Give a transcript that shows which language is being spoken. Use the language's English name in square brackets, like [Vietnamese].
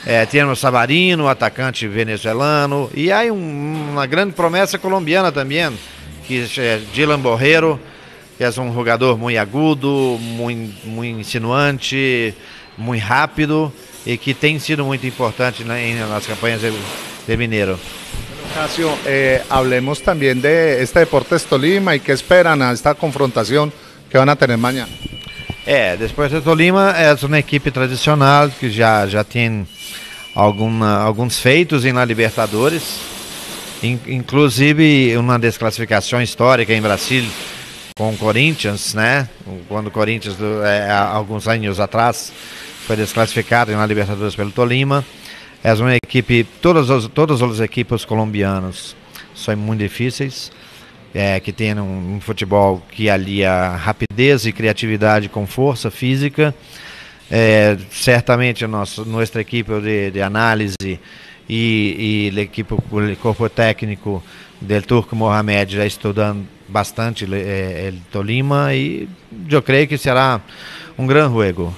[Portuguese] Temos Savarino, atacante venezuelano, e aí uma grande promessa colombiana também, que é Dylan Borrero, que é um jogador muito agudo, muito, muito insinuante, muito rápido, e que tem sido muito importante nas campanhas de Mineiro. [Spanish] Cássio, hablemos también de este Deportes Tolima y qué esperan a esta confrontación que van a tener mañana. Deportes de Tolima es una equipe tradicional que ya tiene algunos feitos en la Libertadores, inclusive una desclasificación histórica en Brasil con Corinthians, né? Cuando Corinthians, algunos años atrás, fue desclasificado en la Libertadores pelo Tolima. [Portuguese] É uma equipe, todas as equipes colombianas são muito difíceis, que tem um futebol que alia rapidez e criatividade com força física. Certamente nossa equipe de análise e a equipe corpo técnico do Turco Mohamed já estudando bastante o Tolima, e eu creio que será um grande jogo.